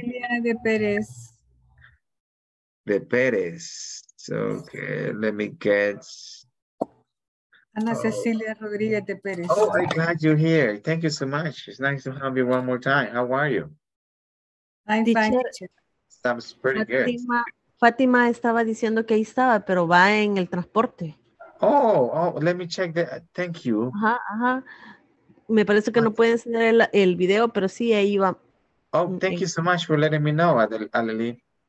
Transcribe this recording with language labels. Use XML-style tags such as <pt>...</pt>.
<en>Juliana de Perez. De Perez. Okay, let me get Ana Cecilia Rodriguez de Perez. Oh, I'm glad you're here. Thank you so much. It's nice to have you one more time. How are you? I'm fine. Sounds pretty good.</en> <es>Fátima estaba diciendo que ahí estaba, pero va en el transporte.</es> <en>Oh, let me check that. Thank you. Ajá.</en> <es>Me parece que no puede enseñar el video, pero sí, ahí va.</es> <en>Oh, thank you so much for letting me know, Aleli.</en>